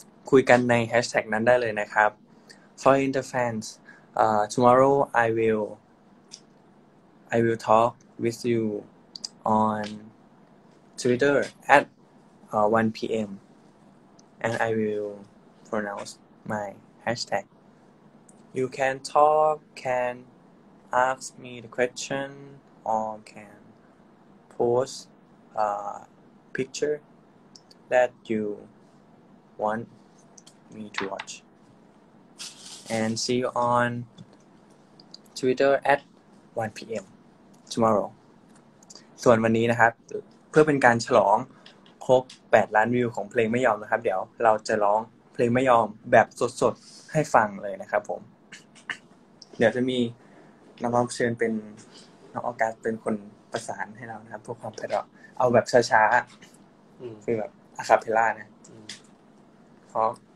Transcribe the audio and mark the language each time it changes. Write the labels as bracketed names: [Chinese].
[Thai] คุยกันในแฮชแท็กนั้นได้เลยนะครับ [English] For the fans tomorrow I will talk with you on Twitter at 1 PM and I will pronounce my hashtag. You can talk, can ask me the question, or can post a picture that you want me to watch. And see you on Twitter at 1 PM tomorrow. [Thai] ส่วนวันนี้นะครับเพื่อเป็นการฉลองครบ8ล้านวิวของเพลงไม่ยอมนะครับเดี๋ยวเราจะร้องเพลงไม่ยอมแบบสดๆให้ฟังเลยนะครับผมเดี๋ยวจะมีน้องเชิญเป็นน้องออกัสเป็นคนประสานให้เรานะครับพวกความไพเราะเอาแบบช้าๆคือแบบอะคาเพลล่านะพร้อม